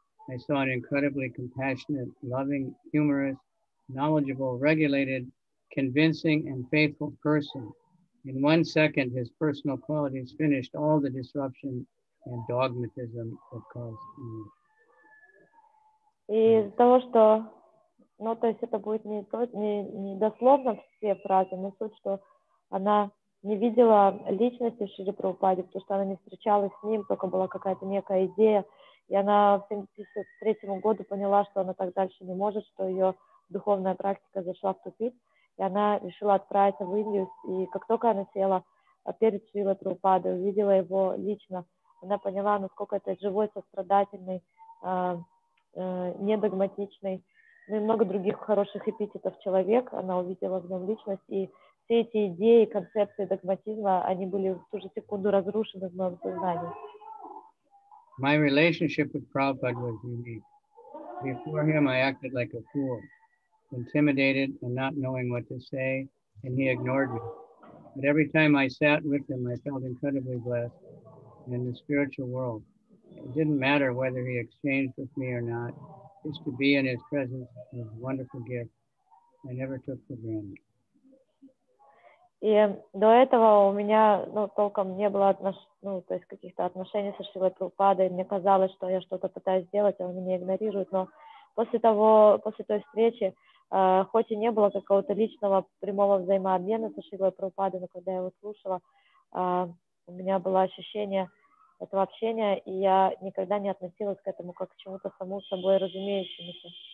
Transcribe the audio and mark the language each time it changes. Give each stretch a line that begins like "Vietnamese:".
English: I saw an incredibly compassionate, loving, humorous, knowledgeable, regulated, convincing, and faithful person. In 1 second, his personal qualities finished all the disruption and dogmatism that caused me.
Russian: Из-за того, что, ну, то есть это будет не дословно все фразы, но суть, что она не видела личности в Шри Прабхупаде, потому что она не встречалась с ним, только была какая-то некая идея, и она в 73-м году поняла, что она так дальше не может, что ее духовная практика зашла в тупик. И она решила отправиться в Индию, и как только она села перед Шрилой Прабхупадой, увидела его лично, она поняла, насколько это живой, сострадательный, недогматичный, ну и много других хороших эпитетов человек, она увидела в нем личность, и все эти идеи, концепции догматизма, они были в ту же секунду разрушены в моем сознании.
English: My relationship with Prabhupada was unique. Before him, I acted like a fool, intimidated and not knowing what to say, and he ignored me. But every time I sat with him, I felt incredibly blessed in the spiritual world. It didn't matter whether he exchanged with me or not, just to be in his presence was a wonderful gift. I never took for granted.
Russian: И до этого у меня, ну, толком не было каких-то отношений со Шрилой Прабхупадой. Мне казалось, что я что-то пытаюсь сделать, а он меня игнорирует. Но после той встречи, хоть и не было какого-то личного прямого взаимообмена со Шрилой Прабхупадой, но когда я его слушала, у меня было ощущение этого общения, и я никогда не относилась к этому как к чему-то само собой разумеющемуся.